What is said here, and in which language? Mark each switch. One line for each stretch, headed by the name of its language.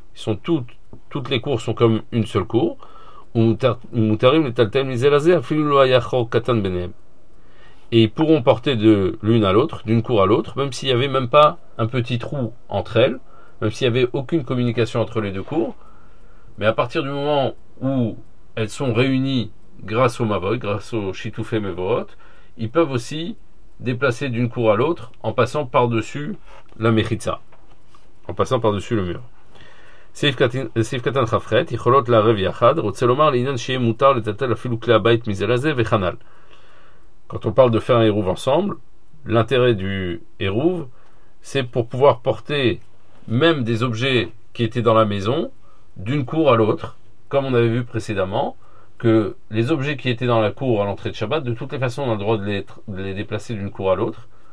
French: Ils sont toutes les cours sont comme une seule cour. Et ils pourront porter de l'une à l'autre, d'une cour à l'autre, même s'il n'y avait même pas un petit trou entre elles, même s'il n'y avait aucune communication entre les deux cours. Mais à partir du moment où elles sont réunies grâce au mavoy, grâce au shitufé mevohot, ils peuvent aussi déplacer d'une cour à l'autre en passant par-dessus la mechitza, en passant par-dessus le mur.
Hebrew: סעיף קטן חף חת יכולות לערב יחד רוצה לומר לעניין שיהיה מותר לטלטל אפילו כלי הבית מזה לזה וכנל.
French: Quand on parle de faire un hérouve ensemble, l'intérêt du hérouve, c'est pour pouvoir porter même des objets qui étaient dans la maison d'une cour à l'autre, comme on avait vu précédemment, que les objets qui étaient dans la cour à l'entrée de Shabbat, de toutes les façons, on a le droit de les déplacer d'une cour à l'autre.